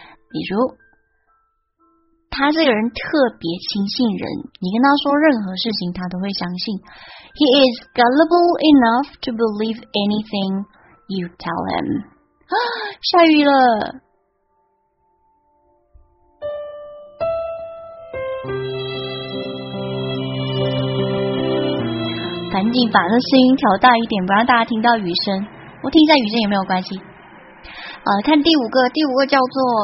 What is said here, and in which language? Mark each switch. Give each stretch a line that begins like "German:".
Chinese: 比如他这个人特别轻信人，你跟他说任何事情他都会相信。
English: He is gullible enough to believe anythingYou tell him.
Chinese: 下雨了，赶紧把那声音调大一点，不让大家听到雨声。我听一下雨声也没有关系。看第五个，第五个叫做